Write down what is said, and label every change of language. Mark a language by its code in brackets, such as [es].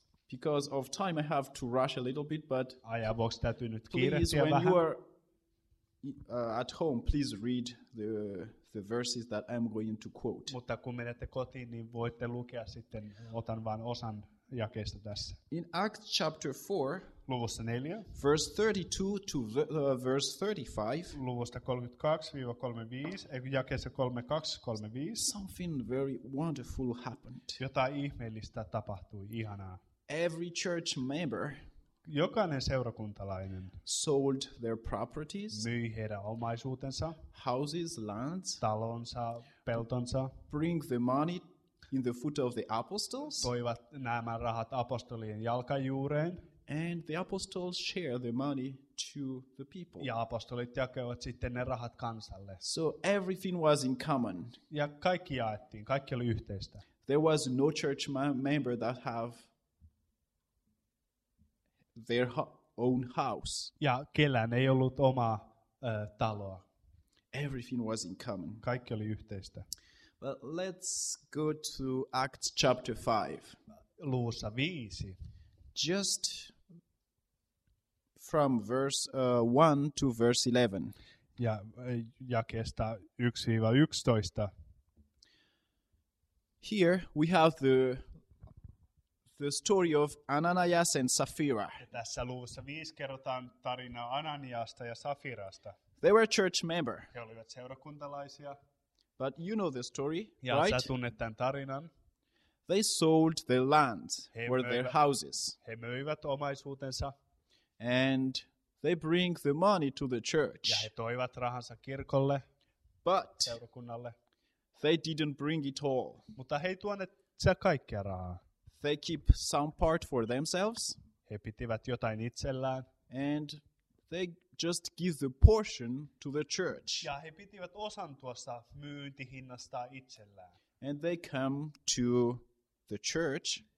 [en] Because of time I have to rush a little bit, but [fi] ajavuoksi täytyy nyt kiirehtiä vähän. [en] When you are at home, please read the verses that I'm going to quote. [fi] Mutta kun menette kotiin, niin voitte lukea sitten, otan vain osan jakeista tässä. [en] In Acts chapter 4, [fi] luvussa 4, [en] verse 32 to verse 35, [fi] luvusta 32-35, jakeessa 32-35, [en] something very wonderful happened. [fi] Jotain ihmeellistä tapahtui, ihanaa. [en] Every church member, [fi] jokainen seurakuntalainen, [en] sold their properties, [fi] myi heidän omaisuutensa, [en] houses, lands, [fi] talonsa, peltonsa, [en] bring the money in the foot of the apostles, [fi] toivat nämä rahat apostolien jalkajuureen, [en] and the apostles share the money to the people. [fi] Ja apostolit jakoivat sitten ne rahat kansalle. [en] So everything was in common. [fi] Ja kaikki jaettiin, kaikki oli yhteistä. [en] There was no church member that have their own house. [fi] Ja kellään ei ollut omaa taloa. [en] Everything was in common. [fi] Kaikki oli yhteistä. [en] But let's go to Acts chapter 5. [fi] Luussa 5. [en] Just from verse 1 to verse 11. [fi] Ja jakeesta 1-11. [en] Here we have the story of Ananias and Sapphira. [fi] Ja tässä luvussa 5 kerrotaan tarina Ananiasta ja Sapphirasta. [en] They were church member. [fi] He olivat seurakuntalaisia. [en] But you know the story, [fi] ja [en] right? [fi] Ja sä tunnet tämän tarinan. [en] They sold their land, were their houses. [fi] He myivät omaisuutensa. [en] And they bring the money to the church. [fi] Ja he toivat rahansa kirkolle. [en] But [fi] seurakunnalle. [en] They didn't bring it all. [fi] Mutta he ei tuoneet sitä kaikkea rahaa. [en] They keep some part for themselves. [fi] He pitivät jotain itsellään. [en] And they just give the portion to the church. [fi] Ja he pitivät osan tuosta myyntihinnasta itsellään. [en] And they come to the church.